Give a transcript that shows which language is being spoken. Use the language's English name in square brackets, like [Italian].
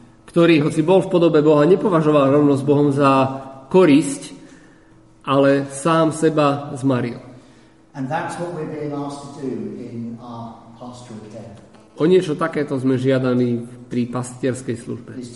[Slovak] Ktorý, hoci bol v podobe Boha, nepovažoval rovnosť Bohom za korisť, ale sám seba zmaril. [English] And that's what we're being asked to do in our pastoral care. [Slovak] O niečo takéto sme žiadaní pri pastierskej službe.